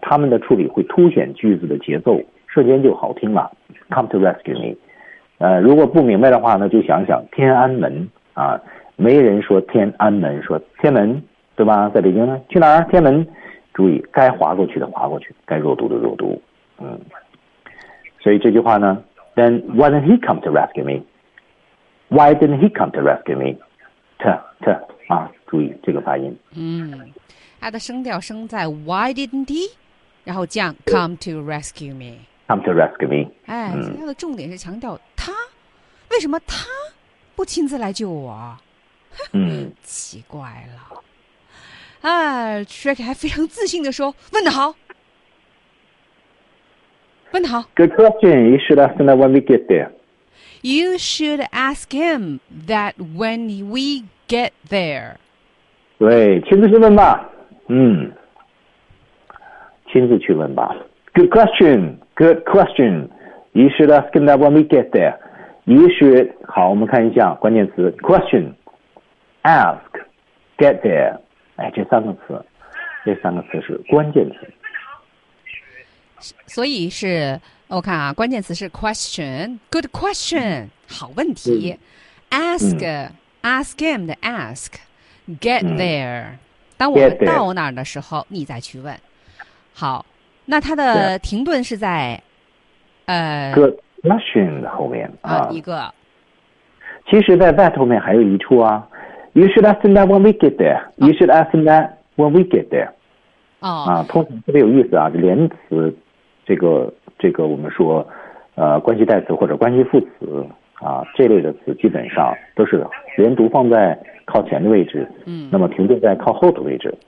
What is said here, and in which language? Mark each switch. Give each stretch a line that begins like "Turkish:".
Chinese: 他们的处理会凸显句子的节奏，瞬间就好听了。
English: Come to rescue me。
Chinese: 如果不明白的话呢，就想想天安门啊，没人说天安门，说天门，对吧？在北京呢，去哪儿？天门。注意，该划过去的划过去，该弱读的弱读，嗯。所以这句话呢
English: ，Then why didn't he come to rescue me? Why didn't he come to rescue me?
Chinese: T 啊，注意这个发音。嗯，他的声调声在
English: Why didn't he?
Chinese: 然后降
English: Come to rescue me. Come to rescue me.
Chinese: 哎，他的重点是强调他，为什么他不亲自来救我？奇怪了。啊 ，Shrek 还非常自信地说：“问得好。” 问得好。
English: Good question. You should ask him that when we get there. You should ask him that when we get there.
Chinese: 对，亲自去问吧。嗯，亲自去问吧。
English: Good question. Good question. You should ask him that when we get there. You should.
Chinese: 好，我们看一下关键词 ：question, ask, get there. 哎，这三个词，这三个词是关键词。所以是，我看啊，关键词是 question,
English: good question,
Chinese: 好问题。
English: Ask, ask him to ask, get there.
Chinese: 当我到那儿的时候，你再去问。好，那他的停顿是在，
English: good question
Chinese: 的后面啊，一个。其实，在 that 后面还有一处啊。
English: You should ask him that when we get there. You should ask him that when we get there.
Chinese: 哦，啊，通常特别有意思啊，这连词。这个我们说关系代词或者关系副词啊，这类的词基本上都是连读放在靠前的位置，嗯，那么停顿在靠后的位置。